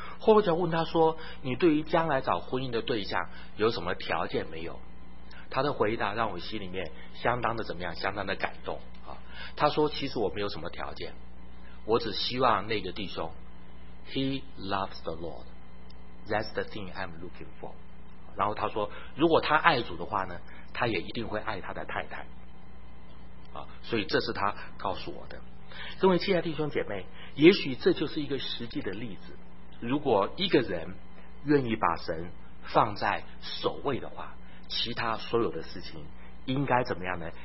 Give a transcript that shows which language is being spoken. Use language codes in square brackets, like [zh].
[zh] 后来就问他说，你对于将来找婚姻的对象有什么条件没有？他的回答让我心里面相当的怎么样，相当的感动啊。他说其实我没有什么条件，我只希望那个弟兄 [en] He loves the Lord. That's the thing I'm looking for. [zh] 然后他说，如果他爱主的话呢，他也一定会爱他的太太。啊，所以这是他告诉我的。各位亲爱的弟兄姐妹，也许这就是一个实际的例子。如果一个人愿意把神放在首位的话，其他所有的事情应该怎么样呢？